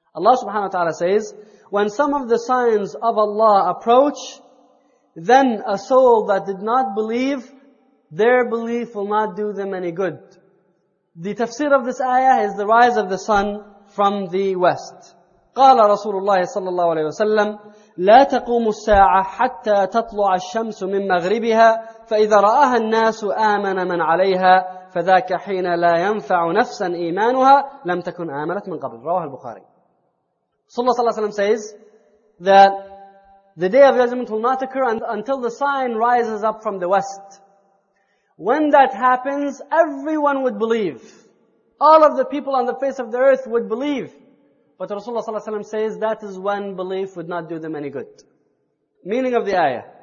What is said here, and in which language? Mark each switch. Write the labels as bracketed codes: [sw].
[en] Allah subhanahu wa ta'ala says, when some of the signs of Allah approach, then a soul that did not believe, their belief will not do them any good. The tafsir of this ayah is the rise of the sun from the west. [ar] قَالَ رَسُولُ اللَّهِ صَلَّى اللَّهُ عَلَيْهِ وَسَلَّمْ لا تقوم الساعة حتى تطلع الشمس من مغربها فإذا رآها الناس آمن من عليها فذاك حين لا ينفع نفسا إيمانها لم تكن آمنت من قبل. رواه البخاري. [en] صلى الله عليه وسلم says that the day of judgment will not occur until the sign rises up from the west. When that happens, everyone would believe. All of the people on the face of the earth would believe. But Rasulullah sallallahu alayhi wa sallam says that is when belief would not do them any good. Meaning of the ayah.